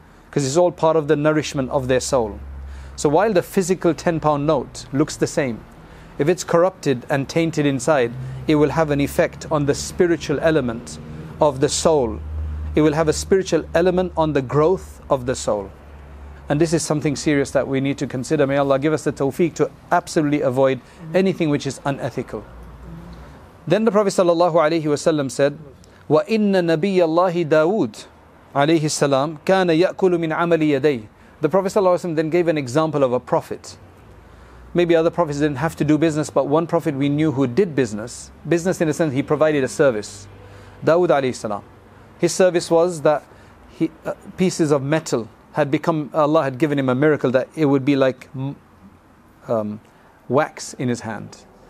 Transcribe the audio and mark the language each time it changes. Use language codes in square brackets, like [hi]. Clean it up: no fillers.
[en] Because it's all part of the nourishment of their soul. So while the physical 10-pound note looks the same, if it's corrupted and tainted inside, it will have an effect on the spiritual element of the soul. It will have a spiritual element on the growth of the soul. And this is something serious that we need to consider. May Allah give us the tawfiq to absolutely avoid anything which is unethical. Then the Prophet sallallahu alayhi wasallam said, [ar] وَإِنَّ نَبِيَّ اللَّهِ دَاوُدِ عَلَيْهِ السَّلَامِ كَانَ يَأْكُلُ مِنْ عَمَلِ يَدَيْهِ. [en] The Prophet sallallahu alayhi wasallam then gave an example of a prophet. Maybe other prophets didn't have to do business, but one prophet we knew who did business. Business in a sense, he provided a service. Dawood alayhi salam. His service was that pieces of metal had become, Allah had given him a miracle that it would be like wax in his hand.